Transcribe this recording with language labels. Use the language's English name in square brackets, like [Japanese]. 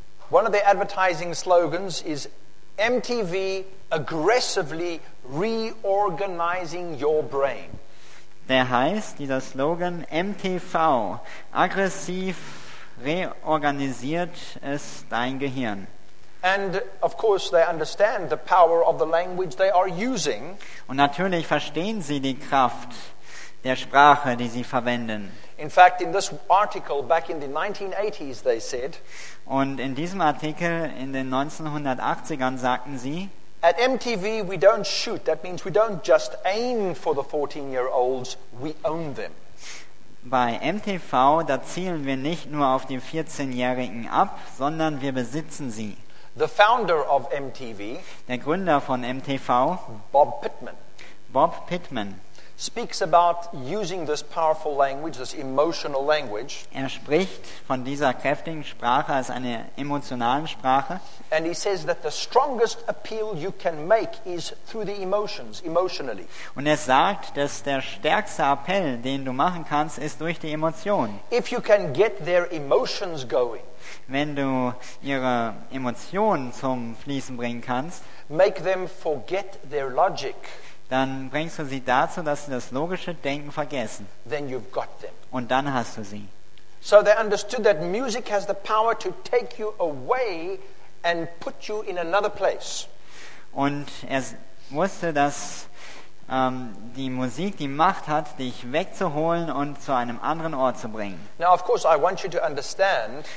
[English] One of the advertising slogans is MTV aggressively reorganizing your brain. [German] Der heißt, dieser Slogan, MTV aggressiv reorganisiert es dein Gehirn. [English] And of course they understand the power of the language they are using. [German] Und natürlich verstehen sie die Kraft der Sprache, die sie verwenden. [English] In fact, in this article back in the 1980s they said, [German] und in diesem Artikel in den 1980ern sagten sie, [English] at MTV we don't shoot, that means we don't just aim for the 14-year-olds, we own them. [German] Bei MTV, da zielen wir nicht nur auf die 14-Jährigen ab, sondern wir besitzen sie. [English] The founder of MTV, [German] der Gründer von MTV, [English] Bob Pittman, speaks about using this powerful language, this emotional language. [German] Er spricht von dieser kräftigen Sprache als eine emotionalen Sprache. [English] And he says that the strongest appeal you can make is through the emotions, emotionally. [German] Und er sagt, dass der stärkste Appell, den du machen kannst, ist durch die Emotionen. [English] If you can get their emotions going, [German] wenn du ihre Emotionen zum Fließen bringen kannst, [English] make them forget their logic, [German] dann bringst du sie dazu, dass sie das logische Denken vergessen. [English] Then you've got them. [German] Und dann hast du sie. [English] So they understood that music has the power to take you away and put you in another place. [German] Und er wusste, dass die Musik die Macht hat, dich wegzuholen und zu einem anderen Ort zu bringen. [English] Now of course I want you to understand.